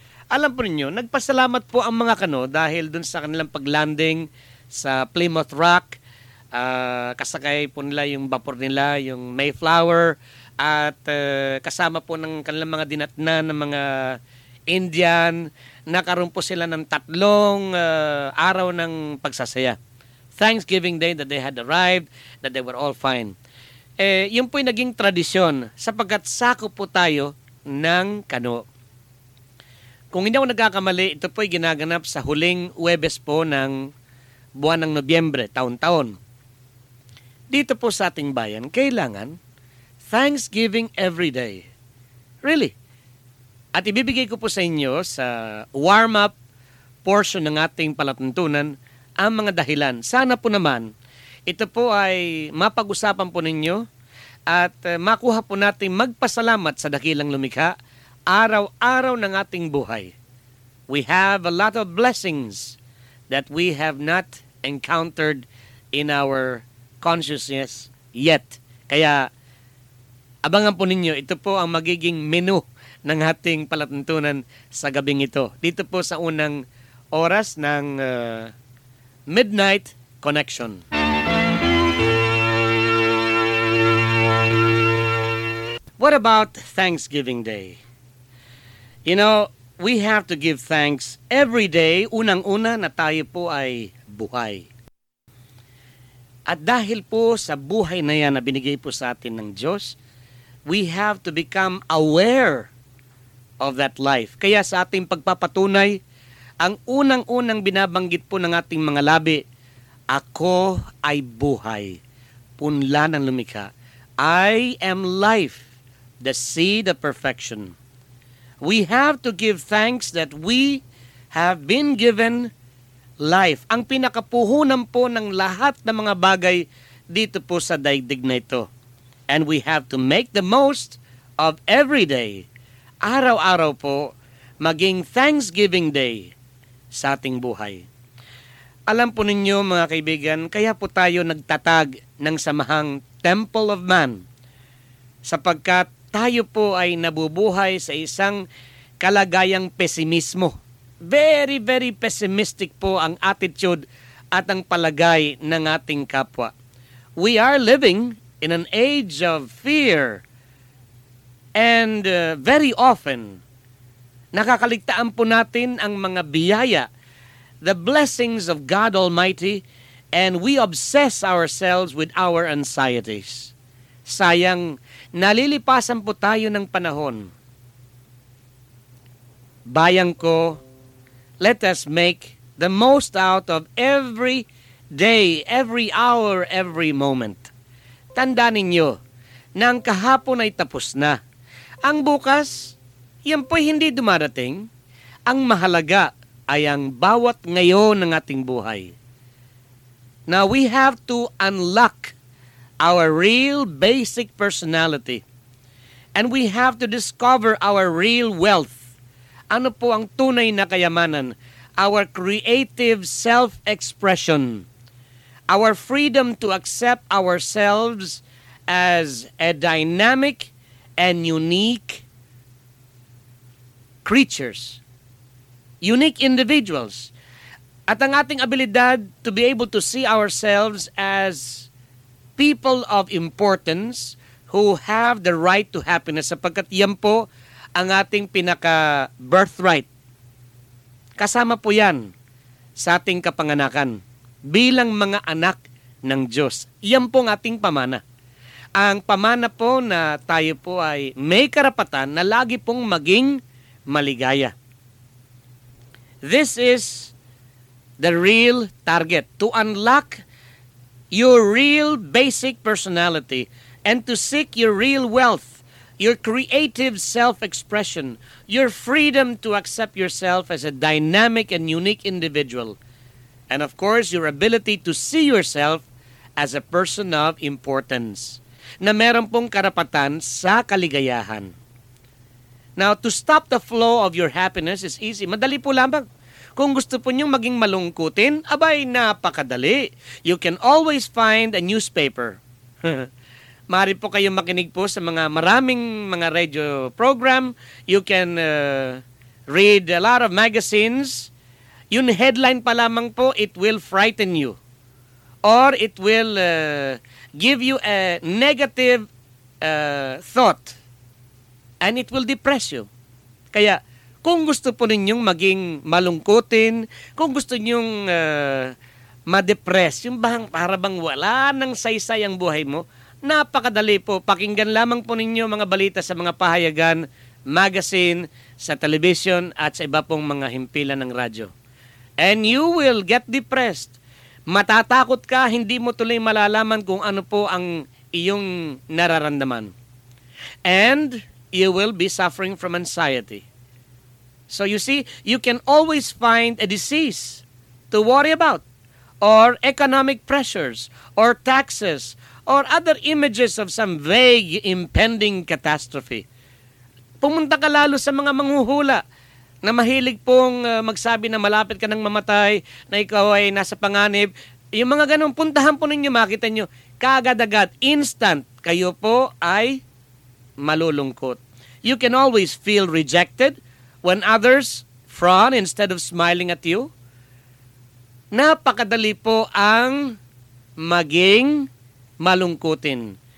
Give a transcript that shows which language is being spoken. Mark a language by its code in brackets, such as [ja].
[tl] Alam po ninyo, nagpasalamat po ang mga kano dahil dun sa kanilang paglanding sa Plymouth Rock, kasakay po nila yung vapor nila, yung Mayflower, at kasama po ng kanilang mga dinatna ng mga Indian, nakaroon po sila ng tatlong araw ng pagsasaya. [en] Thanksgiving Day that they had arrived, that they were all fine. [tl] Yun po yung naging tradisyon sapagkat sakop po tayo ng kano. Kung hindi ako nagkakamali, ito po ay ginaganap sa huling Huwebes po ng buwan ng Nobyembre, taon-taon. Dito po sa ating bayan, kailangan Thanksgiving [en] every day. Really. [tl] At ibibigay ko po sa inyo sa warm-up portion ng ating palatuntunan ang mga dahilan. Sana po naman, ito po ay mapag-usapan po ninyo at makuha po natin magpasalamat sa dakilang lumikha araw-araw ng ating buhay. [en] We have a lot of blessings that we have not encountered in our consciousness yet. [tl] Kaya abangan po ninyo, ito po ang magiging menu ng ating palatuntunan sa gabing ito. Dito po sa unang oras ng Midnight Connection. [en] What about Thanksgiving Day? You know, we have to give thanks every day, [tl] unang-una na tayo po ay buhay. At dahil po sa buhay na yan na binigay po sa atin ng Diyos, [en] we have to become aware of that life. [tl] Kaya sa ating pagpapatunay, ang unang-unang binabanggit po ng ating mga labi, ako ay buhay, punla ng lumikha. [en] I am life, the seed of perfection. We have to give thanks that we have been given life. [tl] Ang pinakapuhunan po ng lahat ng mga bagay dito po sa daigdig na ito. [en] And we have to make the most of every day. [tl] Araw-araw po, maging Thanksgiving Day sa ating buhay. Alam po ninyo, mga kaibigan, kaya po tayo nagtatag ng samahang Temple of Man. Sapagkat tayo po ay nabubuhay sa isang kalagayang pesimismo. [en] Very, very pessimistic [tl] po ang attitude at ang palagay ng ating kapwa. [en] We are living in an age of fear. And very often, [tl] nakakaligtaan po natin ang mga biyaya, [en] the blessings of God Almighty, and we obsess ourselves with our anxieties. [tl] Sayang, nalilipasan po tayo ng panahon. Bayang ko, [en] let us make the most out of every day, every hour, every moment. [tl] Tanda ninyo, nang kahapon ay tapos na. Ang bukas, yan po'y hindi dumarating. Ang mahalaga ay ang bawat ngayon ng ating buhay. [en] Now, we have to unlock our real basic personality. And we have to discover our real wealth. [tl] Ano po ang tunay na kayamanan? [en] Our creative self-expression. Our freedom to accept ourselves as a dynamic and unique creatures, unique individuals, [tl] at ang ating abilidad [en] to be able to see ourselves as people of importance who have the right to happiness, [tl] sapagkat yan po ang ating pinaka-birthright. Kasama po yan sa ating kapanganakan bilang mga anak ng Diyos. Yan po ang ating pamana. Ang pamana po na tayo po ay may karapatan na lagi pong maging maligaya. [en] This is the real target, to unlock your real basic personality and to seek your real wealth, your creative self-expression, your freedom to accept yourself as a dynamic and unique individual, and of course, your ability to see yourself as a person of importance, [tl] na meron pong karapatan sa kaligayahan. [en] Now, to stop the flow of your happiness is easy. [tl] Madali po lamang. Kung gusto po niyong maging malungkutin, abay, napakadali. [en] You can always find a newspaper. [tl] Maaari po kayong makinig po sa mga maraming mga radio program. [en] You can read a lot of magazines. [tl] Yung headline pa lamang po, [en] it will frighten you. Or it will give you a negative thought. And it will depress you. [tl] Kaya, kung gusto po ninyong maging malungkutin, kung gusto ninyong ma-depress, yung bang para bang wala nang saysay ang buhay mo, napakadali po, pakinggan lamang po ninyo mga balita sa mga pahayagan, magazine, sa television at sa iba pong mga himpilan ng radyo. [en] And you will get depressed. [tl] Matatakot ka, hindi mo tuloy malalaman kung ano po ang iyong nararamdaman. [en] And you will be suffering from anxiety. So you see, you can always find a disease to worry about, or economic pressures, or taxes, or other images of some vague impending catastrophe. [tl] Pumunta ka lalo sa mga manghuhula na mahilig pong magsabi na malapit ka ng mamatay, na ikaw ay nasa panganib. Yung mga ganun, puntahan po ninyo, makita nyo, kaagad-agad, instant, kayo po ay malulungkot. [en] You can always feel rejected when others frown instead of smiling at you. [tl] Napakadali po ang maging malungkutin.